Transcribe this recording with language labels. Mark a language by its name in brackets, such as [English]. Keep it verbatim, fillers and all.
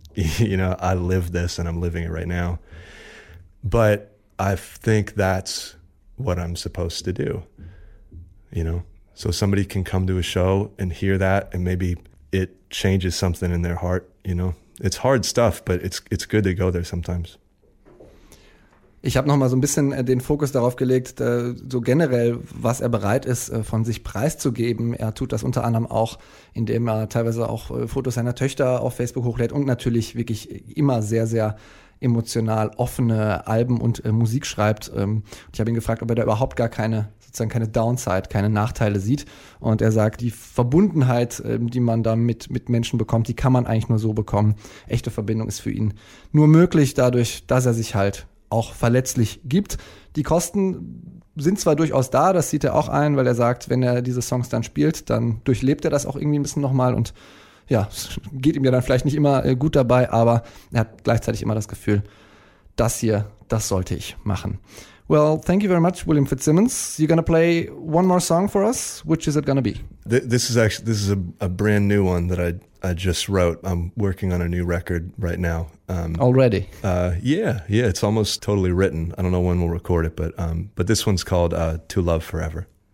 [English] You know, I live this and I'm living it right now. But I think that's what I'm supposed to do, you know? So somebody can come to a show and hear that and maybe it changes something in their heart, you know? It's hard stuff, but it's it's good to go there sometimes. [German] Ich habe nochmal so ein bisschen den Fokus darauf gelegt, so generell, was er bereit ist, von sich preiszugeben. Er tut das unter anderem auch, indem er teilweise auch Fotos seiner Töchter auf Facebook hochlädt und natürlich wirklich immer sehr, sehr emotional offene Alben und äh, Musik schreibt. Ähm, ich habe ihn gefragt, ob er da überhaupt gar keine, sozusagen keine Downside, keine Nachteile sieht. Und er sagt, die Verbundenheit, ähm, die man da mit, mit Menschen bekommt, die kann man eigentlich nur so bekommen. Echte Verbindung ist für ihn nur möglich dadurch, dass er sich halt auch verletzlich gibt. Die Kosten sind zwar durchaus da, das sieht er auch ein, weil er sagt, wenn er diese Songs dann spielt, dann durchlebt er das auch irgendwie ein bisschen nochmal und ja, geht ihm ja dann vielleicht nicht immer gut dabei, aber er hat gleichzeitig immer das Gefühl, das hier, das sollte ich machen. [English] Well, thank you very much, William Fitzsimmons. You're gonna play one more song for us. Which is it gonna be? Th- this is actually this is a, a brand new one that I I just wrote. I'm working on a new record right now. Um, Already? Uh, yeah, yeah. It's almost totally written. I don't know when we'll record it, but um, but this one's called uh, "To Love Forever."